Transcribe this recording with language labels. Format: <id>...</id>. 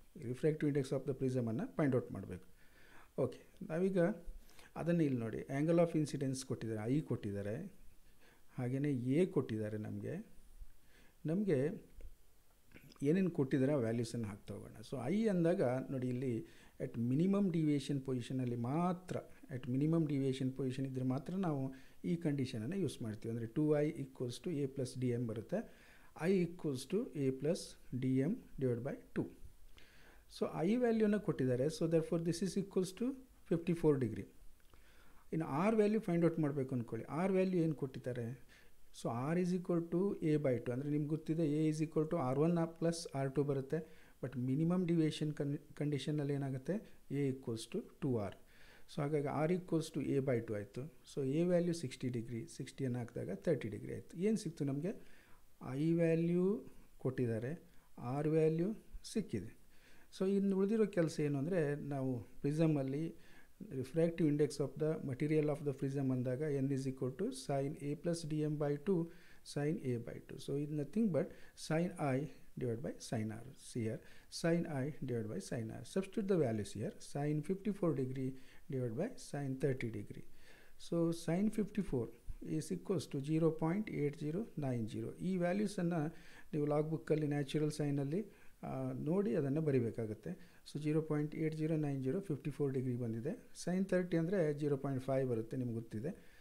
<kn>Refractive index of the ಪ್ರಿಸಮನ್ನು find out ಮಾಡಬೇಕು. Okay, ನಾವೀಗ ಅದನ್ನು ಇಲ್ಲಿ ನೋಡಿ, ಆ್ಯಂಗಲ್ ಆಫ್ ಇನ್ಸಿಡೆನ್ಸ್ ಕೊಟ್ಟಿದ್ದಾರೆ, ಐ ಕೊಟ್ಟಿದ್ದಾರೆ, ಹಾಗೆಯೇ ಎ ಕೊಟ್ಟಿದ್ದಾರೆ ನಮಗೆ. ನಮಗೆ ಏನೇನು ಕೊಟ್ಟಿದ್ದಾರೆ ಆ ವ್ಯಾಲ್ಯೂಸನ್ನು ಹಾಕ್ತಾ ಹೋಗೋಣ. ಸೊ ಐ ಅಂದಾಗ ನೋಡಿ, ಇಲ್ಲಿ ಎಟ್ ಮಿನಿಮಮ್ ಡಿವಿಯೇಷನ್ ಪೊಸಿಷನಲ್ಲಿ ಮಾತ್ರ, ಎಟ್ ಮಿನಿಮಮ್ ಡಿವಿಯೇಷನ್ ಪೊಸಿಷನ್ ಇದ್ದರೆ ಮಾತ್ರ ನಾವು ಈ ಕಂಡೀಷನನ್ನು ಯೂಸ್ ಮಾಡ್ತೀವಿ. ಅಂದರೆ 2i = a + dm ಬರುತ್ತೆ. i = a + dm/2. So I ವ್ಯಾಲ್ಯೂನ ಕೊಟ್ಟಿದ್ದಾರೆ.</kn> <en>So therefore this is equals to 54 degree.</en> <kn>ಇನ್ನು ಆರ್ ವ್ಯಾಲ್ಯೂ ಫೈಂಡ್ ಔಟ್ ಮಾಡಬೇಕು ಅಂದ್ಕೊಳ್ಳಿ. ಆರ್ ವ್ಯಾಲ್ಯೂ ಏನು ಕೊಟ್ಟಿದ್ದಾರೆ? ಸೊ r = a/2, ಅಂದರೆ ನಿಮ್ಗೆ ಗೊತ್ತಿದೆ a = r1+r2 ಬರುತ್ತೆ, ಬಟ್ ಮಿನಿಮಮ್ ಡಿವಿಯೇಷನ್ ಕಂಡೀಷನಲ್ಲಿ ಏನಾಗುತ್ತೆ, a = 2r. ಸೊ ಹಾಗಾಗಿ r = a/2 ಆಯಿತು. ಸೊ ಎ ವ್ಯಾಲ್ಯೂ 60 ಡಿಗ್ರಿ, 60 ಹಾಕಿದಾಗ 30 ಡಿಗ್ರಿ ಆಯಿತು. ಏನು ಸಿಕ್ತು ನಮಗೆ? ಐ ವ್ಯಾಲ್ಯೂ ಕೊಟ್ಟಿದ್ದಾರೆ, ಆರ್ ವ್ಯಾಲ್ಯೂ ಸಿಕ್ಕಿದೆ. ಸೊ ಇನ್ನು ಉಳಿದಿರೋ ಕೆಲಸ ಏನು ಅಂದರೆ, ನಾವು ಪ್ರಿಸಮಲ್ಲಿ refractive index of the material of the prism ಅಂದಾಗ n = sin a + dm/2 sin a/2. So ಇದು</kn> <en>nothing but</en> <kn>sin i / sin r. ಸಿಯರ್ sin i / sin r.</kn> <en>Substitute the values here, sin 54° / sin 30°. So sin 54 = 0.8090.</en> <kn>ಈ ವ್ಯಾಲ್ಯೂಸನ್ನು ನೀವು log ಬುಕ್ಕಲ್ಲಿ natural ಸೈನಲ್ಲಿ ನೋಡಿ ಅದನ್ನು ಬರಿಬೇಕಾಗುತ್ತೆ. So 0.8090 54 degree ಬಂದಿದೆ. Sign 30 ಅಂದರೆ 0.5 ಬರುತ್ತೆ, ನಿಮ್ಗೆ ಗೊತ್ತಿದೆ.</kn>